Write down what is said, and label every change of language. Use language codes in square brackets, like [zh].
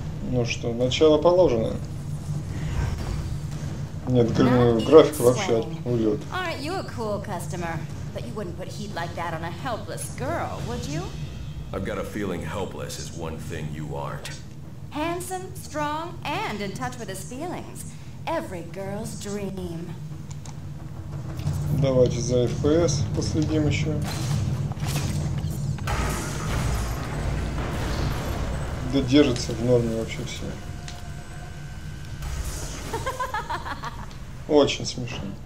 [ru] Ну что, начало положено. Нет, график вообще уйдет. [en] Aren't you a cool customer? But you wouldn't put heat like that on a helpless girl, would you? I've got a feeling helpless is one thing you aren't. Handsome, strong, and in touch with his feelings. Every girl's dream. [ru] Давайте за FPS последим еще. Держится в норме вообще все. Очень смешно.